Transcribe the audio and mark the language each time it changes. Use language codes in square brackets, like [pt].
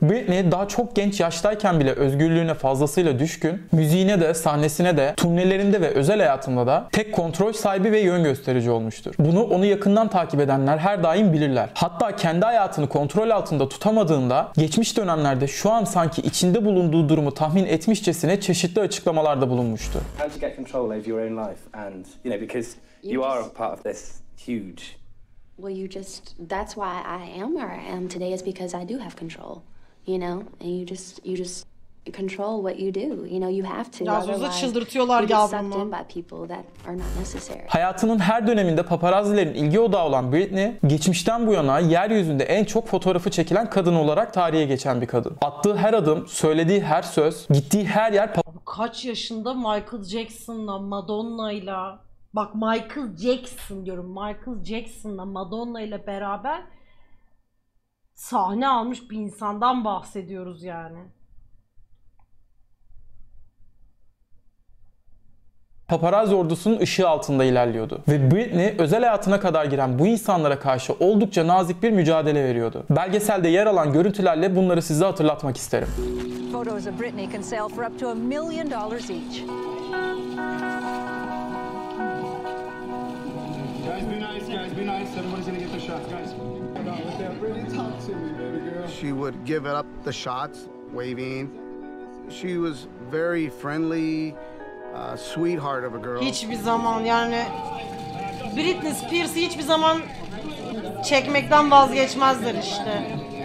[tr] Britney daha çok genç yaştayken bile özgürlüğüne fazlasıyla düşkün, müziğine de, sahnesine de, turnelerinde ve özel hayatında da tek kontrol sahibi ve yön gösterici olmuştur. Bunu onu yakından takip edenler her daim bilirler. Hatta kendi hayatını kontrol altında tutamadığında geçmiş dönemlerde şu an sanki içinde bulunduğu durumu tahmin etmişçesine çeşitli açıklamalarda bulunmuştu. [en] How to get control of your own life and you know because you are a part of this huge. Well you just that's why I am where I am today is because I do have control. You know and you just control what you do. You know you have to. [tr] Yalnızca çıldırtıyorlar yavrumu. Hayatının her döneminde paparazzilerin ilgi odağı olan Britney, geçmişten bu yana yeryüzünde en çok fotoğrafı çekilen kadın olarak tarihe geçen bir kadın. Attığı her adım, söylediği her söz, gittiği her yer kaç yaşında Michael Jackson'la Madonna'yla, bak Michael Jackson diyorum, Michael Jackson'la Madonna'yla beraber sahne almış bir insandan bahsediyoruz yani. Paparazzi ordusunun ışığı altında ilerliyordu. Ve Britney özel hayatına kadar giren bu insanlara karşı oldukça nazik bir mücadele veriyordu. Belgeselde yer alan görüntülerle bunları size hatırlatmak isterim. [en] Photos of Britney can sell for up to $1 million each. Guys be nice, guys be nice. Everybody's gonna get the shots, guys. She would give it up the shots, waving. She was very friendly. Sweetheart of a girl. [tr] Hiçbir zaman yani Britney Spears'ı hiçbir zaman çekmekten vazgeçmezler işte.